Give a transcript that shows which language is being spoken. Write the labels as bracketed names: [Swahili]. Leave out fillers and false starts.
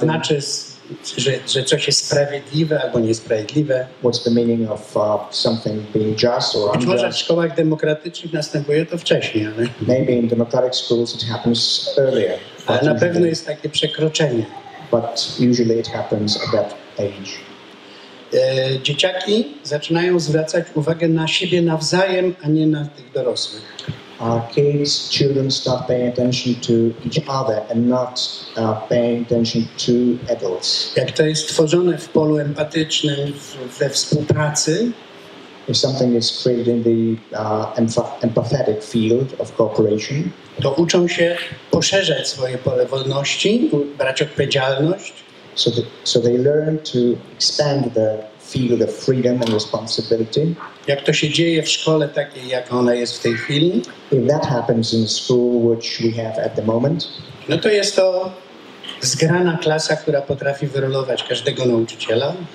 [Polish] Co to znaczy że coś jest sprawiedliwe albo niesprawiedliwe. [English] What's the meaning of something being just or unjust? [Polish] Być może w szkołach demokratycznych następuje to wcześniej, ale... [English] Maybe in democratic schools it happens earlier. [Polish] Ale na pewno jest takie przekroczenie. [English] But usually it happens at that age. [Polish] Dzieciaki zaczynają zwracać uwagę na siebie nawzajem, a nie na tych dorosłych. [English] Kids, children start paying attention to each other and not paying attention to adults. [Polish] Jak to jest tworzone w polu empatycznym, we współpracy. [English] If something is created in the empathetic field of cooperation. [Polish] To uczą się poszerzać swoje pole wolności, brać odpowiedzialność. [English] So they learn to expand the field of freedom and responsibility. [Polish] Jak to się dzieje w szkole takiej, jak ona jest w tej chwili? [English] If that happens in school, which we have at the moment. [Polish] No to jest to zgrana klasa, która potrafi wyrolować każdego nauczyciela.